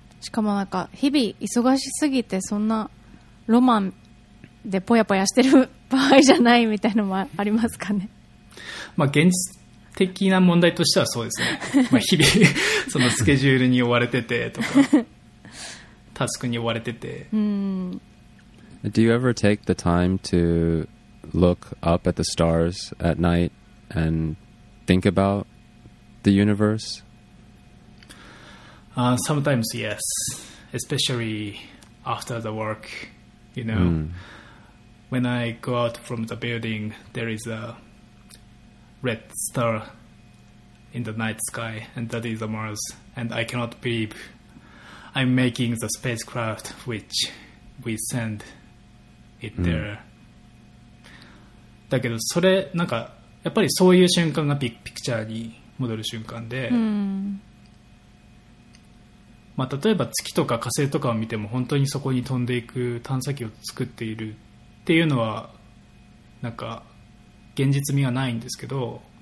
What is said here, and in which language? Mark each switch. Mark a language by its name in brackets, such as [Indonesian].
[Japanese] しかもなんか日々忙しすぎてそんなロマンでポヤポヤしてる場合じゃないみたいなのもありますかね。まあ現実的な問題としてはそうですね、まあ、日々そのスケジュールに追われててとかタスクに追われてて。うん、 [English] Do you ever take the time to look up at the stars at night and think about the universe? Sometimes, yes. Especially after the work, you know. Mm. When I go out from the building, there is a red star in the night sky, and that is the Mars. And I cannot believe I'm making the spacecraft which we send it there. [Japanese] だけどそれなんかやっぱりそういう瞬間がピクチャーに戻る瞬間で、まあ例えば月とか火星とかを見ても本当にそこに飛んでいく探査機を作っているっていうのはなんか現実味がないんですけど、